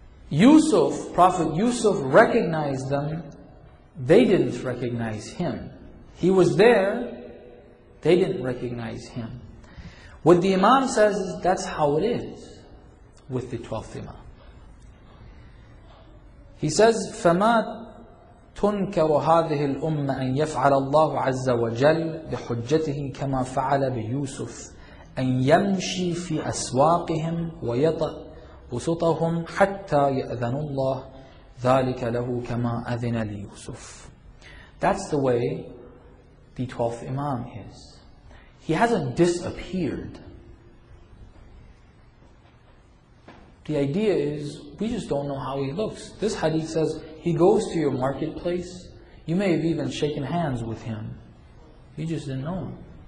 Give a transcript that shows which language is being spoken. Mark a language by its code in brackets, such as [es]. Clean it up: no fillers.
[en] Yusuf, Prophet Yusuf, recognized them. They didn't recognize him. He was there. They didn't recognize him. What the Imam says is that's how it is with the 12th Imam. He says, [ar] فَمَا تُنْكَرُ هَذِهِ الْأُمَّ أَنْ يَفْعَلَ اللَّهُ عَزَّ وَجَلَّ بِحُجَّتِهِ كَمَا فَعَلَ بِيُوسُفِ أن يمشي في أسواقهم ويطأ بسطهم حتى يأذن الله ذلك له كما أذن ليوسف. [en] That's the way the 12th Imam is. He hasn't disappeared. The idea is, we just don't know how he looks. This hadith says, he goes to your marketplace, you may have even shaken hands with him. You just didn't know him.